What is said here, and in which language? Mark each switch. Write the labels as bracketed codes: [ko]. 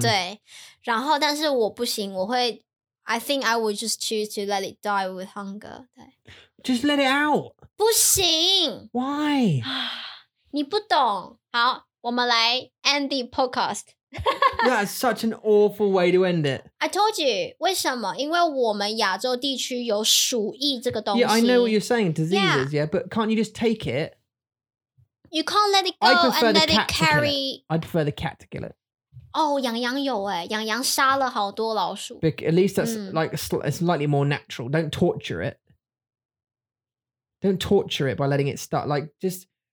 [zh] 对，然后但是我不行，我会 [en] I think I would just choose to let it die with hunger. [zh] 对 [en] Just let it out. [zh] 不行。 [en] Why? [zh] 你不懂。好，我们来 [en] end the podcast. That's such an awful way to end it. I told you. [zh] 为什么？因为我们亚洲地区有鼠疫这个东西。 [en] Yeah, I know what you're saying. Diseases, yeah. Yeah, but can't you just take it? You can't let it go and let it carry. I'd prefer the cat to kill it. [zh] Oh, 羊羊有耶，羊羊杀了好多老鼠。 [en] Because at least that's like slightly more natural. Don't torture it. Don't torture it by letting it start. Like just.